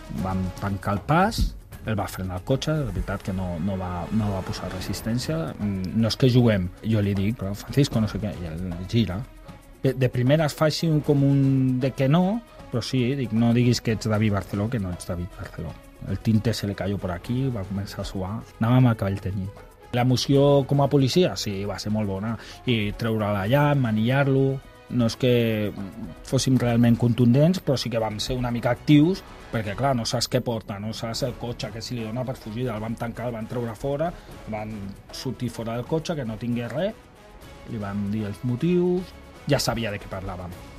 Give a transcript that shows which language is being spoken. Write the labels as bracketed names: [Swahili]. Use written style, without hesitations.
[Catalan] Vam tancar el pas, el va frenar el cotxe, la veritat que no va posar resistència. No és que juguem, jo li dic, però Francisco, no sé què, i el gira. De primera es fa així com un de que no, però sí, dic, no diguis que ets David Barceló, que no ets David Barceló. [Spanish] El tinte se le cayó por aquí, [Catalan] va començar a suar. Anàvem amb el cabell tenyit. L'emoció com a policia, sí, va ser molt bona. I treure'l allà, manillar-lo, no és que fóssim realment contundents, però sí que vam ser una mica actius, perquè, clar, no saps què porta, no saps el cotxe que si li dona per fugir, el vam tancar, el vam treure fora, van sortir fora del cotxe, que no tingués res, li vam dir els motius, ja sabia de què parlàvem.